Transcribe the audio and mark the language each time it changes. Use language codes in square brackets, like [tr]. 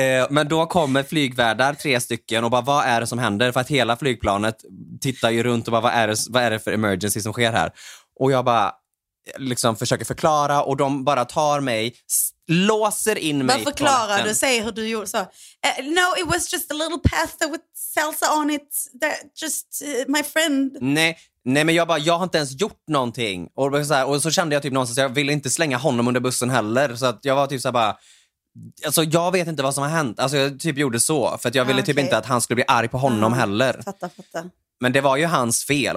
[sv] Men då kommer flygvärdar, tre stycken, och bara, vad är det som händer? För att hela flygplanet tittar ju runt och bara, vad är det för emergency som sker här? Och jag bara liksom försöker förklara, och de bara tar mig, låser in mig. Vad förklarar du? Säg hur du gjorde så. [en] No, it was just a little pasta with salsa on it. That just my friend. [sv] Nej, men jag bara, jag har inte ens gjort någonting. Och så kände jag typ någonstans, jag ville inte slänga honom under bussen heller. Så att jag var typ så bara, alltså jag vet inte vad som har hänt. Alltså jag typ gjorde så. För att jag ville typ inte att han skulle bli arg på honom heller. Fatta. Men det var ju hans fel.